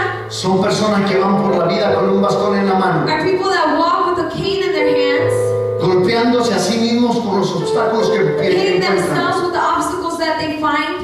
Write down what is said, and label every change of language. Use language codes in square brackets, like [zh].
[es] Son personas que van por la vida con un bastón en la mano. [en] Are people that walk with a cane in their hands. [es] Golpeándose a sí mismos con los obstáculos que encuentran. [en] Hitting themselves with the obstacles that they find.